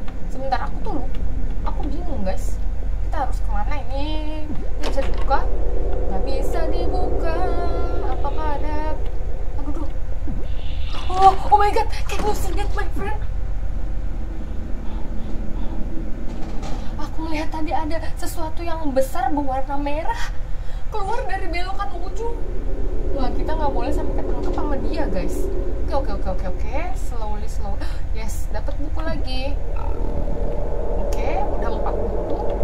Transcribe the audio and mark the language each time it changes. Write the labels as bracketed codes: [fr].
[id] Sebentar aku tuh aku bingung guys, kita harus kemana ini? Bisa dibuka? Gak bisa dibuka. Apakah ada? Aduh, [en] oh my god, can you see that my friend? [id] Aku melihat tadi ada sesuatu yang besar berwarna merah keluar dari belokan ujung. Wah kita nggak boleh sampai ketangkep sama dia guys. [en] Oke, slowly. Yes, [id] dapat buku lagi. Oke, udah 4 buku.